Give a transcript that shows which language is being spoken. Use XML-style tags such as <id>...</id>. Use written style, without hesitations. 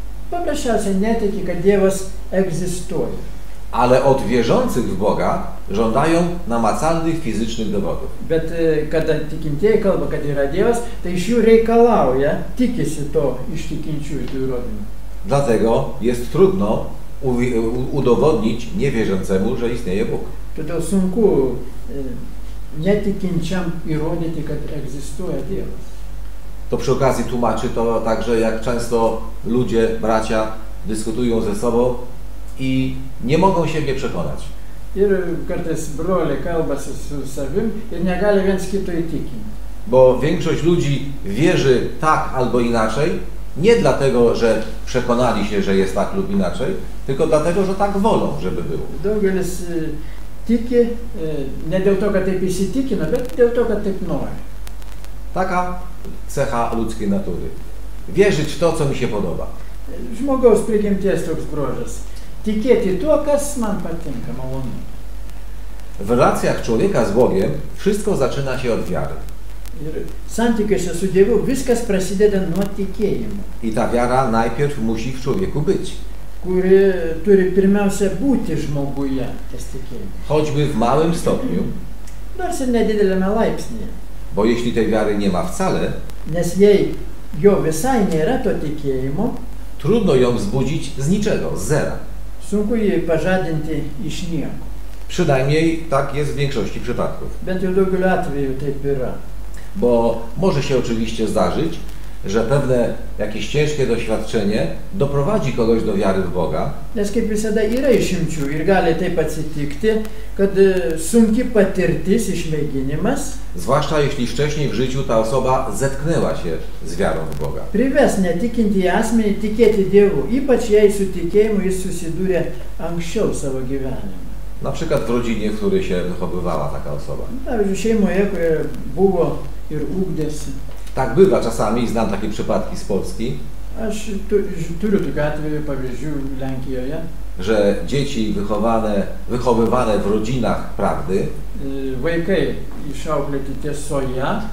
<lt>Paprasčiausiai netiki, kad Dievas egzistuoja.</lt> <pl>Ale od wierzących w Boga żądają namacalnych fizycznych dowodów.</pl> <lt>Bet kada tikintieji kalba, kad yra Dievas, tai iš jų reikalauja, tikisi to iš tikinčiųjų įrodymų.</lt> <pl>Dlatego jest trudno udowodnić niewierzącemu, że istnieje Bóg.</pl> <lt>Todėl sunku netikinčiam įrodyti, kad egzistuoja Dievas.</lt> <pl>To przy okazji tłumaczy to także, jak często ludzie, bracia dyskutują ze sobą i nie mogą siebie przekonać.</pl> <lt>Ir kartais broliai kalbasi su savim ir negali viens kito įtikinti.</lt> <pl>Bo większość ludzi wierzy tak albo inaczej, nie dlatego, że przekonali się, że jest tak lub inaczej, tylko dlatego, że tak wolą, żeby było.</pl> <lt>Daugelis tiki, nie dėl to, kad taip įsitikino, bet dėl to, kad taip nori.</lt> <pl>Taka cecha ludzkiej natury. Wierzyć w to, co mi się podoba.</pl> <lt>Žmogaus prigimties toks bruožas. Tikėti tuo, kas man patinka, malonu.</lt> <pl>W relacjach człowieka z Bogiem wszystko zaczyna się od wiary.</pl> <lt>Santykiuose su Dievu viskas prasideda nuo tikėjimo.</lt> <pl>I ta wiara najpierw musi w człowieku być.</pl> <lt>Kuri turi pirmiausia būti žmoguje, tas tikėjimas.</lt> <pl>Choćby w małym stopniu.</pl> <lt>Nors ir nedideliame laipsnyje.</lt> <pl>Bo jeśli tej wiary nie ma wcale.</pl> <lt>Nes jej, jo visai nėra to tikėjimo.</lt> <pl>Trudno ją wzbudzić z niczego, z zera.</pl> <lt>Sunku jej pożadinti iš nieko.</lt> <pl>Przynajmniej tak jest w większości przypadków.</pl> <lt>Bent jau daugeliu atveju taip yra.</lt> <pl>Bo może się oczywiście zdarzyć, że pewne jakieś ciężkie doświadczenie doprowadzi kogoś do wiary w Boga.</pl> <lt>Nes kaip visada yra išimčių ir gali taip atsitikti, kad sunki patirtis, išmėginimas.</lt> <pl>Zwłaszcza jeśli wcześniej w życiu ta osoba zetknęła się z wiarą w Boga.</pl> <lt>Prives netikinti asmenį tikėti Dievu, ypač jei su tikėjimu jis susidūrė anksčiau savo gyvenime.</lt> <pl>Na przykład w rodzinie, w której się wychowywała taka osoba.</pl> <lt>Pavyzdžiui, šeimoje, kurioje buvo ir ugdėsi.</lt> <pl>Tak bywa czasami, znam takie przypadki z Polski.</pl> <lt>Aš turiu tokių atvejų, pavyzdžių, Lenkijoje.</lt> <pl>Że dzieci wychowywane w rodzinach prawdy.</pl> <lt>Vaikai išauklėti tiesoje.</lt>